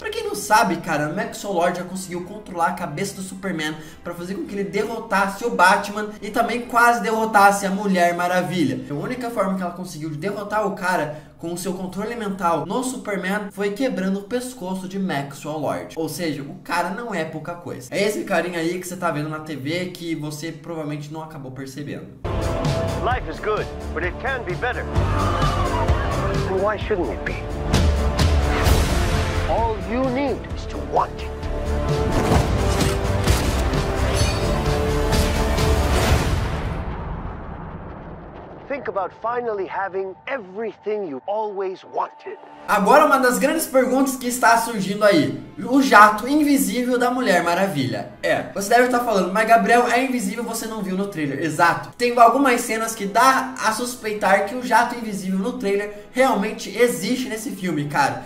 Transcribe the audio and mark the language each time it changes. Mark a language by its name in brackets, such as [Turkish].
[Portuguese] Pra quem não sabe, cara, Maxwell Lord já conseguiu controlar a cabeça do Superman pra fazer com que ele derrotasse o Batman e também quase derrotasse a Mulher Maravilha. A única forma que ela conseguiu de derrotar o cara com o seu controle mental no Superman foi quebrando o pescoço de Maxwell Lord. Ou seja, o cara não é pouca coisa. É esse carinha aí que você tá vendo na TV que você provavelmente não acabou percebendo. [English] Life is good, but it can be better. Why shouldn't it be? All you need is to want it. Think about finally having everything you always wanted. [Portuguese] Agora, uma das grandes perguntas que está surgindo aí: o jato invisível da Mulher Maravilha. É, você deve estar falando, mas Gabriel, é invisível, você não viu no trailer. Exato. Tem algumas cenas que dá a suspeitar que o jato invisível no trailer realmente existe nesse filme, cara.